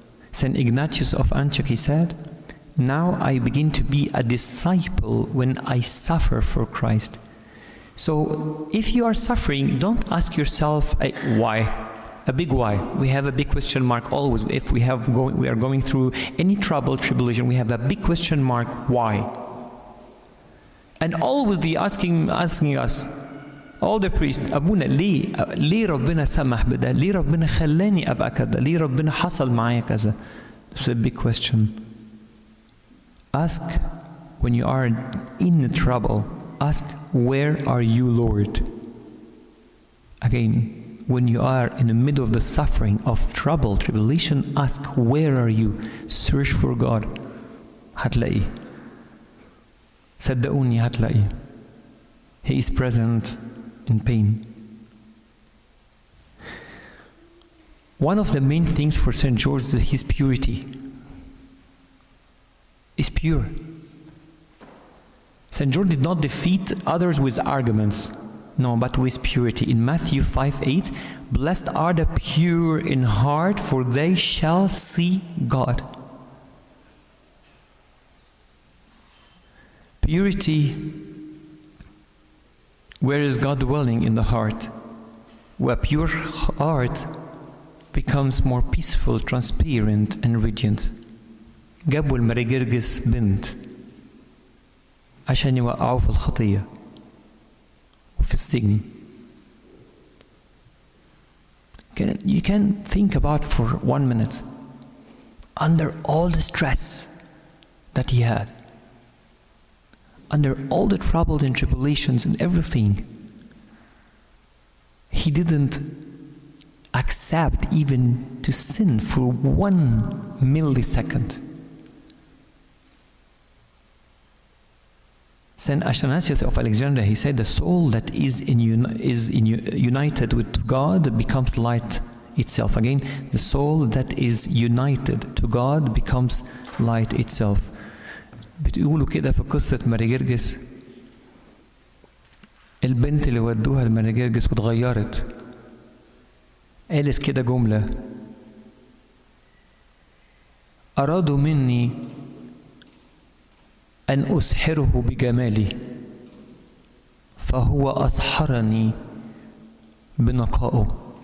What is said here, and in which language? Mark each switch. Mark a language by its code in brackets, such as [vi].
[en] Saint Ignatius of Antioch said, now I begin to be a disciple when I suffer for Christ. So if you are suffering, don't ask yourself a why, a big why. We have a big question mark always. If we are going through any trouble, tribulation, we have a big question mark, why? And always they asking us, all the priests, [ar] أبونا ليه ربنا سمح بده؟ ليه ربنا خلاني أبقى كذا؟ ليه ربنا حصل معايا كذا؟ [en] It's a big question. Ask when you are in trouble, ask where are you, Lord? Again, when you are in the middle of the suffering, of trouble, tribulation, ask where are you? Search for God. [ar] هتلاقي. صدقوني هتلاقي. [en] He is present in pain. One of the main things for St. George is his purity. He's pure. St. George did not defeat others with arguments. No, but with purity. In Matthew 5:8, blessed are the pure in heart, for they shall see God. Purity, where is God dwelling in the heart? Where pure heart becomes more peaceful, transparent, and radiant. [ar] قبل ما رجرجس بنت عشان يوقعوا في الخطية وفي السجن. [en] You can think about for 1 minute under all the stress that he had, under all the troubles and tribulations and everything, he didn't accept even to sin for 1 millisecond. Saint Athanasius of Alexandria, he said, the soul that is united with God becomes light itself. Again, the soul that is united to God becomes light itself. [ar] بتقولوا كده في قصة ماري جرجس، البنت اللي ودوها لماري جرجس وتغيرت، قالت كده جملة: أرادوا مني أن أسحره بجمالي، فهو أسحرني بنقائه.